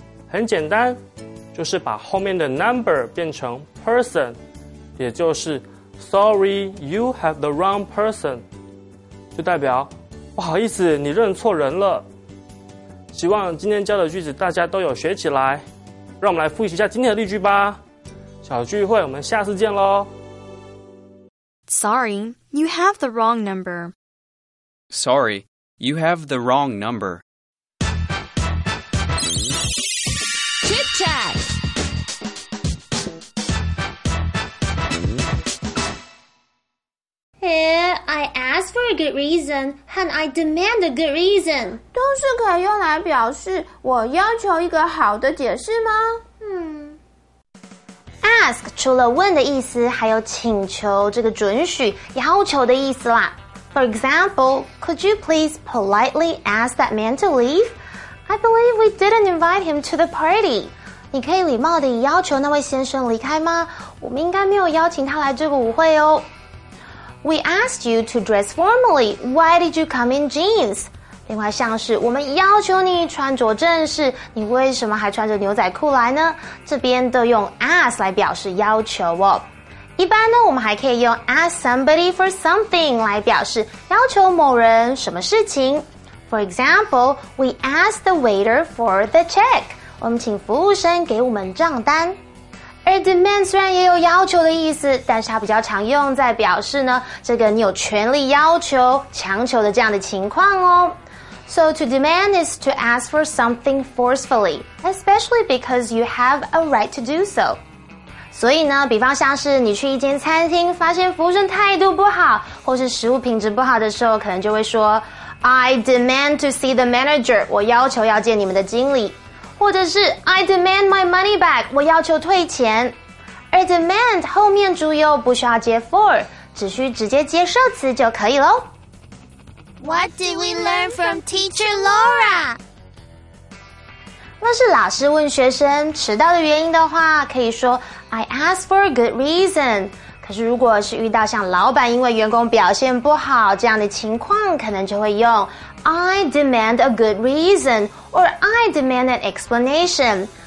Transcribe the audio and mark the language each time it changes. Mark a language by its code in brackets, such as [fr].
[zh] 很简单，就是把后面的 number 变成 person， 也就是 [en] Sorry, you have the wrong person， [zh] 就代表不好意思，你认错人了。希望今天教的句子大家都有学起来，让我们来复习一下今天的例句吧。小聚会，我们下次见咯。 [en] Sorry, you have the wrong number. Sorry, you have the wrong number. Chit chat. I ask for a good reason, and I demand a good reason. [zh] 都是可以用来表示我要求一个好的解释吗？ Ask 除了问的意思，还有请求这个准许、要求的意思啦。 [en] For example, could you please politely ask that man to leave? I believe we didn't invite him to the party. [zh] 你可以礼貌地要求那位先生离开吗？我们应该没有邀请他来这个舞会哦。 [en] We asked you to dress formally. Why did you come in jeans? [zh] 另外像是我们要求你穿着正式，你为什么还穿着牛仔裤来呢？这边都用 ask 来表示要求哦。一般呢，我们还可以用 [en] ask somebody for something [zh] 来表示要求某人什么事情。 [en] For example, we ask the waiter for the check. [zh] 我们请服务生给我们账单。而 demand 虽然也有要求的意思，但是它比较常用在表示呢，这个你有权利要求、强求的这样的情况哦。 [en] So to demand is to ask for something forcefully, especially because you have a right to do so. [zh] 所以呢，比方像是你去一间餐厅，发现服务生态度不好，或是食物品质不好的时候，可能就会说 [en] I demand to see the manager, [zh] 我要求要见你们的经理。或者是 [en] I demand my money back, [zh] 我要求退钱。而 demand 后面主语不需要接 for, 只需直接接受词就可以咯。 [en] What did we learn from Teacher Laura? [zh] 那是老师问学生迟到的原因的话，可以说 [en] I asked for a good reason. [zh] 可是如果是遇到像老板因为员工表现不好这样的情况，可能就会用 [en] I demand a good reason or I demand an explanation.